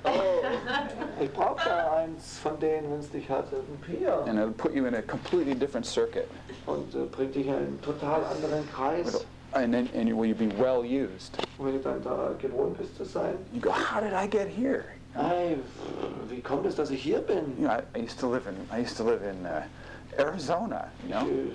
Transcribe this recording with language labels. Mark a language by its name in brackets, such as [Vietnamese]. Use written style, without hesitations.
[German] Oh, ich brauche da eins von denen, wenn es dich hat. [English] And it'll put you in a completely different circuit. [German] Und bringt dich in einen total anderen Kreis. [English] And then will you be well used. [German] Wenn du dann da gewohnt bist zu sein. [English] You go, how did I get here? [German] Wie kommt es, dass ich hier bin? [English] You know, I used to live in Arizona, you know?